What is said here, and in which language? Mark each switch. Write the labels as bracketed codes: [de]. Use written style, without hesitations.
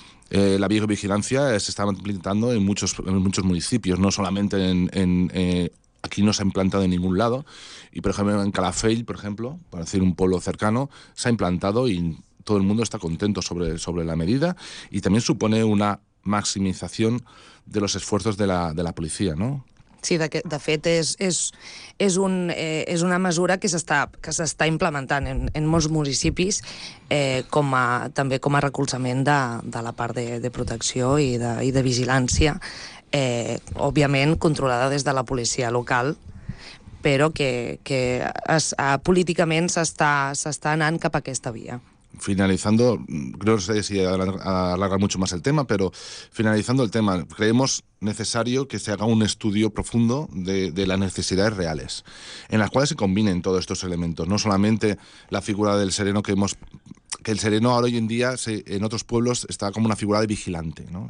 [es] La videovigilancia se está implantando en muchos municipios, no solamente aquí no se ha implantado en ningún lado, y por ejemplo en Calafell, por ejemplo, por decir un pueblo cercano, se ha implantado y todo el mundo está contento sobre la medida, y también supone una maximización de los esfuerzos de la policía, ¿no? [ca] Sí, de fet és una mesura que s'està implementant en molts municipis, com a recolzament de la part de protecció i de vigilància, òbviament controlada des de la policia local, però que políticament s'està anant cap a aquesta via. [es] Finalizando, no sé si alargar mucho más el tema, pero finalizando el tema, creemos necesario que se haga un estudio profundo de las necesidades reales, en las cuales se combinen todos estos elementos, no solamente la figura del sereno que el sereno ahora hoy en día en otros pueblos está como una figura de vigilante, ¿no?